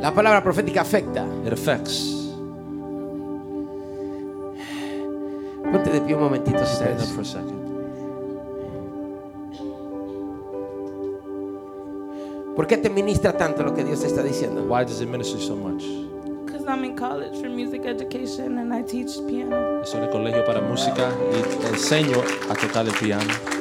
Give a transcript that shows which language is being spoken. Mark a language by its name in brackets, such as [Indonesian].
[Spanish] La palabra profética afecta. [English] It affects. [Spanish] Ponte de pie un momentito. [English] Stand up for a second. [Spanish] ¿Por qué te ministra tanto lo que Dios te está diciendo? [English] Why does it minister so much? Because I'm in college for music education and I teach piano. [Spanish] Estoy en el colegio para música y enseño a tocar el piano.